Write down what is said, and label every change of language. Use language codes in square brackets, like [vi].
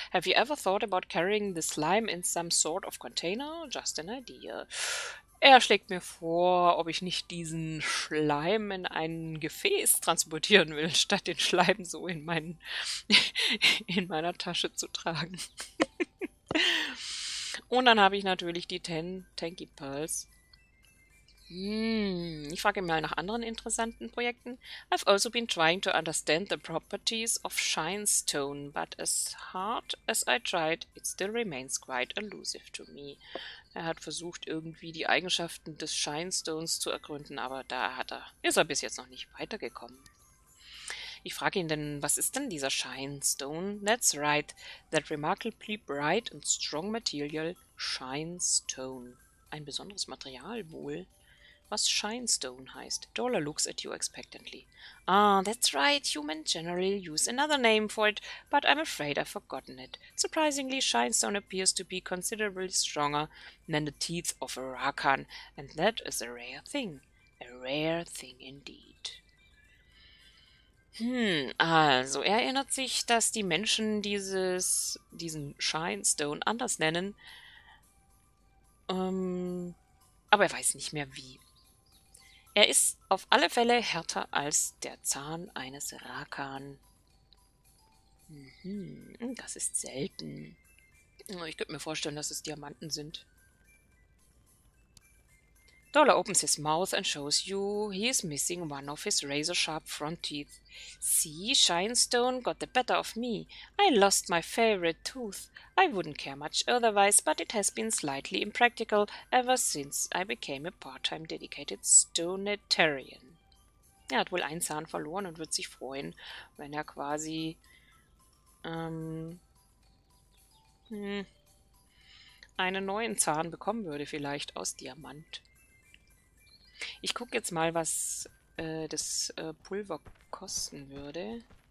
[en] Have you ever thought about carrying the slime in some sort of container? Just an idea. [de] Er schlägt mir vor, ob ich nicht diesen Schleim in ein Gefäß transportieren will, statt den Schleim so in meinen in meiner Tasche zu tragen. Und dann habe ich natürlich die 10 Tanky Pearls. Ich frage mal nach anderen interessanten Projekten. [en] I've also been trying to understand the properties of Shine Stone, but as hard as I tried, it still remains quite elusive to me. [de] Er hat versucht, irgendwie die Eigenschaften des Shine Stones zu ergründen, aber da ist er bis jetzt noch nicht weitergekommen. Ich frage ihn denn, was ist denn dieser Shine Stone? [en] That's right, that remarkably bright and strong material, Shine Stone. [de] Ein besonderes Material wohl, was Shine Stone heißt. [en] Dollar looks at you expectantly. Ah, that's right, humans generally use another name for it, but I'm afraid I've forgotten it. Surprisingly, Shine Stone appears to be considerably stronger than the teeth of a Rakan, and that is a rare thing. A rare thing indeed. [de] Also erinnert sich, dass die Menschen diesen Shine Stone anders nennen. Aber er weiß nicht mehr wie. Er ist auf alle Fälle härter als der Zahn eines Rakan. Das ist selten. Ich könnte mir vorstellen, dass es Diamanten sind. [en] Dollar opens his mouth and shows you he is missing one of his razor sharp front teeth. See, Shinestone got the better of me. I lost my favorite tooth. I wouldn't care much otherwise, but it has been slightly impractical ever since I became a part-time dedicated Stonetarian. [de] Er hat wohl einen Zahn verloren und wird sich freuen, wenn er quasi einen neuen Zahn bekommen würde, vielleicht aus Diamant. Ich gucke jetzt mal, was das Pulver kosten würde.